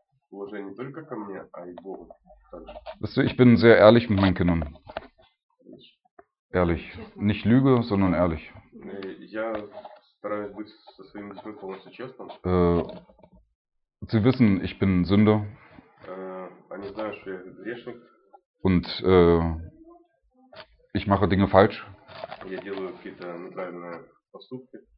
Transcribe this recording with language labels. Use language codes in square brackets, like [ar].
[ru] Уважение не только ко мне, а и Богу. [de] Weißt du, ich bin sehr ehrlich mit meinen Kindern. Ehrlich. Nicht Lüge, sondern ehrlich. [ru] Я стараюсь быть со своими детьми полностью честным. [de] Sie wissen, ich bin Sünder. [ru] Они знают, что я грешник. [de] Und ich mache Dinge falsch. [ru] Я делаю какие-то неправильные поступки.